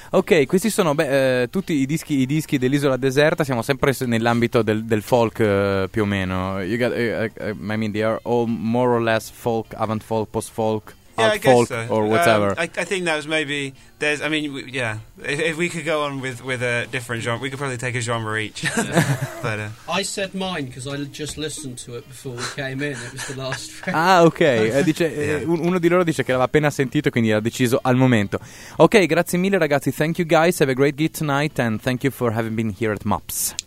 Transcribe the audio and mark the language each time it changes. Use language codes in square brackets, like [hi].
[it] Ok, questi sono tutti i dischi dell'Isola Deserta. Siamo sempre nell'ambito del folk più o meno. [en] You got, I mean, they are all more or less folk, avant folk, post folk, yeah, alt folk, so. Or whatever. I think that was maybe. There's, I mean, yeah. If we could go on with a different genre, we could probably take a genre each. But I said mine because I just listened to it before we came in. It was the last. Ah, okay. [it] Uno di loro dice che l'aveva appena sentito, quindi ha deciso al momento. Okay, grazie mille, ragazzi. [en] Thank you, guys. Have a great gig tonight, and thank you for having been here at MAPS.